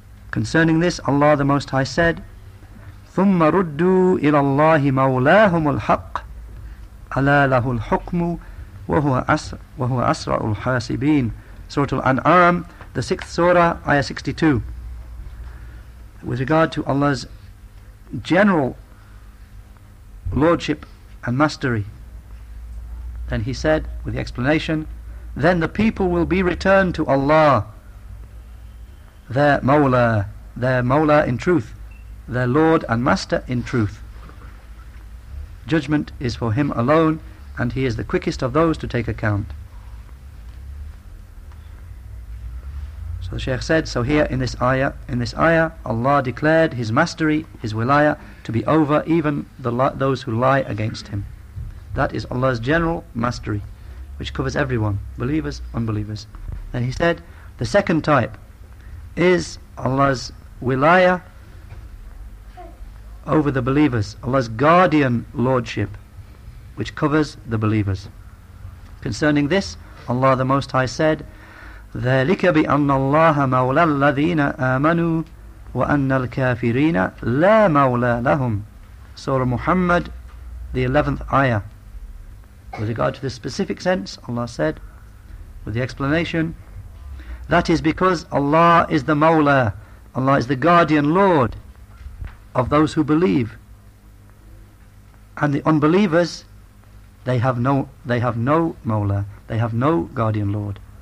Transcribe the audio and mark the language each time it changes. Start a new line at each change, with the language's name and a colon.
English: Concerning this, Allah the Most High said,
Arabic: ثُمَّ رُدُّوا إِلَى اللَّهِ مَوْلَاهُمُ الْحَقِّ أَلَا لَهُ الْحُكْمُ وَهُوَ أَسْرَعُ الْحَاسِبِينَ.
English: Surah Al-An'am, the 6th surah, ayah 62. With regard to Allah's general lordship and mastery, then he said, with the explanation, then the people will be returned to Allah, their Mawla in truth, their Lord and Master in truth. Judgment is for Him alone, and He is the quickest of those to take account. So the Shaykh said, so here in this ayah, Allah declared His mastery, His wilaya, to be over even those who lie against Him. That is Allah's general mastery, which covers everyone, believers, unbelievers. Then he said, the second type is Allah's wilaya over the believers, Allah's guardian lordship, which covers the believers. Concerning this, Allah the Most High said,
Arabic: ذَلِكَ بِأَنَّ اللَّهَ مَوْلَى الَّذِينَ آمَنُوا وَأَنَّ الْكَافِرِينَ لَا مَوْلَى لَهُمْ.
English: Surah Muhammad, the 11th ayah. With regard to the specific sense, Allah said, with the explanation, that is because Allah is the Mawla, Allah is the guardian Lord of those who believe. And the unbelievers, they have no Mawla, they have no guardian Lord.